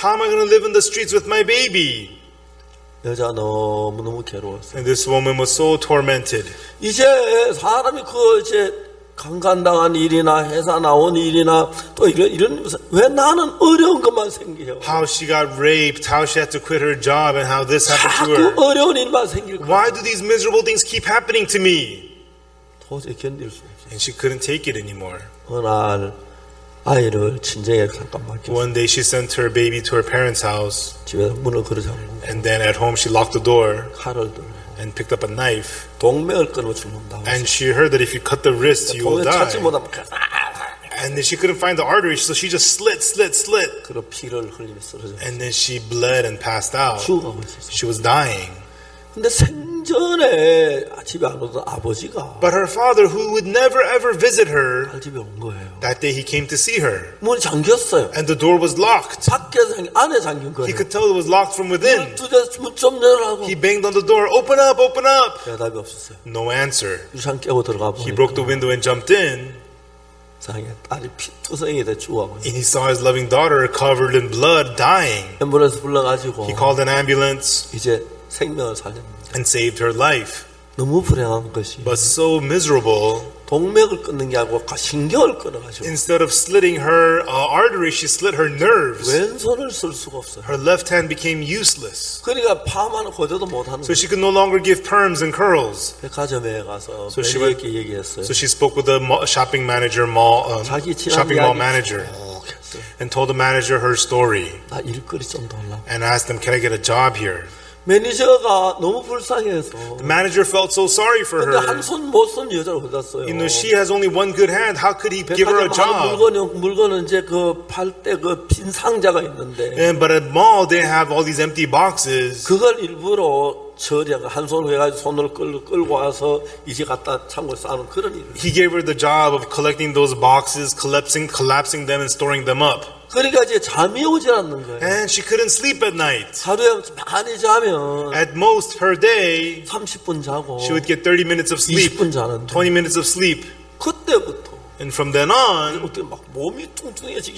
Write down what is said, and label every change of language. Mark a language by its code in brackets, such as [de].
[en] How am I gonna live in the streets with my baby? [ko] 여자 너무 괴로웠어. [en] And this woman was so tormented. [ko] 이제 사람이 그 이제 강간당한 일이나 회사 나온 일이나 또 이런 왜 나는 어려운 것만 생겨요? [en] How she got raped, how she had to quit her job, and how this happened to her. [ko] 자꾸 어려운 일만 생길 거야. [en] Why do these miserable things keep happening to me? [ko] 도저히 견딜 수 없어. [en] And she couldn't take it anymore. [ko] 어느 날 아이를 친정에 잠깐 맡겼어. [en] One day she sent her baby to her parents' house. [ko] 집에서 문을 걸어 잠그고. [en] And then at home she locked the door. [ko] 칼을 들고. [en] And picked up a knife. [ko] 동맥을 끊어 죽는다. [en] And she heard that if you cut the wrist, you will die. [ko] 동맥 찾지 못하면. [en] And then she couldn't find the artery, so she just slit. [ko] 그리고 피를 흘리며 쓰러졌어. [en] And then she bled and passed out. [ko] 죽어가고 있었어. [en] She was dying. [ko] 근데 생전에 집에 안 오던 아버지가. [en] But her father, who would never ever visit her, [ko] 딸 집에 온 거예요. [en] That day he came to see her. [ko] 문 잠겼어요. [en] And the door was locked. [ko] 밖에서 안에 잠긴 거예요. [en] He could tell it was locked from within. [ko] 문 좀 열어라고. [en] He banged on the door. Open up, open up. [ko] 대답이 없었어요. [en] No answer. [ko] 유창 깨고 들어가 보니까. [en] He broke the window and jumped in. [ko] 자기 딸이 피투성이 돼 죽어. [en] And he saw his loving daughter covered in blood, dying. [ko] 앰뷸런스 불러가지고. [en] He called an ambulance. [ko] 이제 생명을 살렸는데. [en] And saved her life. [ko] 너무 불행한 것이. [en] But so miserable. [ko] 동맥을 끊는 게 아니고 신경을 끊어가지고. [en] Instead of slitting her artery, she slit her nerves. [ko] 왼손을 쓸 수가 없어. [en] Her left hand became useless. [ko] 그러니까 파마는 고쳐도 못하는. [en] So she could no longer give perms and curls. [ko] 백화점에 가서 매니저에게 얘기했어요. [en] So she spoke with the shopping manager, shopping mall manager. And told the manager her story. [ko] 나 일거리 좀 달라. [en] And asked them, can I get a job here? [ko] 매니저가 너무 불쌍해서. [en] The manager felt so sorry for her. [ko] 근데 한 손 못 쓴 여자를 얻었어요. [en] You know, she has only one good hand. How could he give her a job? [ko] 물건은 이제 그 팔 때 그 빈 상자가 있는데. [en] And, but at mall, they have all these empty boxes. [ko] 그걸 일부러 처리하고 한 손 해가지고 손을 끌고 와서 이제 갖다 창고에 쌓는 그런 일. [en] He gave her the job of collecting those boxes, collapsing them and storing them up. [ko] 그러니까 이제 잠이 오지 않는 거예요. [en] And she couldn't sleep at night. [ko] 하루에 많이 자면. [en] At most per day. [ko] 30분 자고. [en] She would get 30 minutes of sleep. [ko] 20분 자는데. [en] 20 minutes of sleep. [ko] 그때부터. [en] And from then on. [ko] 어떻게 막 몸이 뚱뚱해지기.